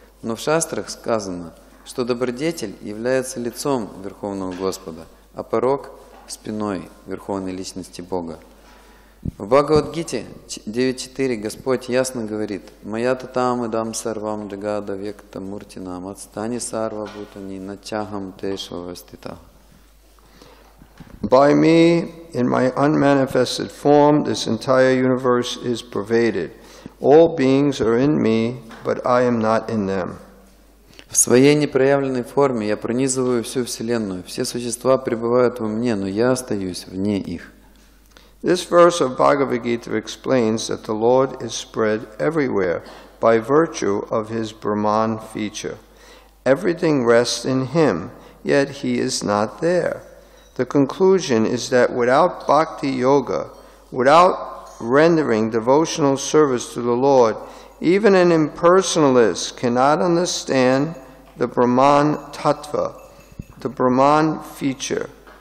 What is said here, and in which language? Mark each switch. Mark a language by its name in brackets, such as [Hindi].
[Russian] Но в шастрах сказано, что добродетель является лицом Верховного Господа, а порок – спиной Верховной Личности Бога. В Бхагавад-гите 9.4 Господь ясно говорит: [Sanskrit] «Моя татам идам сарвам джагада векта муртинам, отстани сарва бутани натягам тешва вастита». [English] By me, in my unmanifested form, this entire universe is pervaded. All beings are in me, but I am not in them. [Russian] В своей непроявленной форме я пронизываю всю вселенную. Все существа пребывают во мне, но я остаюсь вне их. [English] This verse of Bhagavad Gita explains that the Lord is spread everywhere by virtue of his Brahman feature. Everything rests in him, yet he is not there. The conclusion is that without bhakti yoga, without rendering devotional service to the Lord, even an impersonalist cannot understand the Brahman tattva, the Brahman feature.